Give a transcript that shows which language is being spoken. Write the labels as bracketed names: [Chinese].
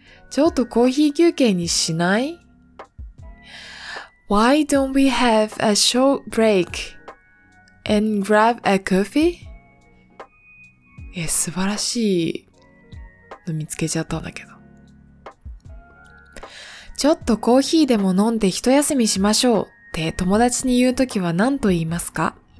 [Japanese] ちょっとコーヒー休憩にしない？ [English] Why don't we have a short break and grab a coffee? [Japanese] 素晴らしいの見つけちゃったんだけど。ちょっとコーヒーでも飲んで一休みしましょうって友達に言うときは何と言いますか？